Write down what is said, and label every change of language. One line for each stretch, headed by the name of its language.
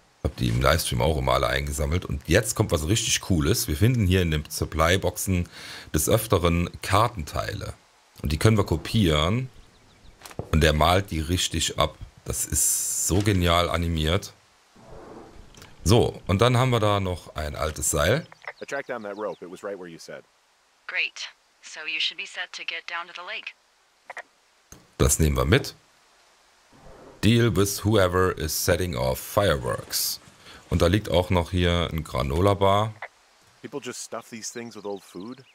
German: Hab die im Livestream auch immer alle eingesammelt. Und jetzt kommt was richtig Cooles. Wir finden hier in den Supply-Boxen des Öfteren Kartenteile. Und die können wir kopieren. Und der malt die richtig ab. Das ist so genial animiert. So, und dann haben wir da noch ein altes Seil.
English: I tracked down that rope. It was right where you said. Great. So you should be set to get down to the lake.
German: Das nehmen wir mit.
English: Deal with whoever is setting off fireworks.
German: Und da liegt auch noch hier ein Granola Bar.
English: People just stuff these things with old food.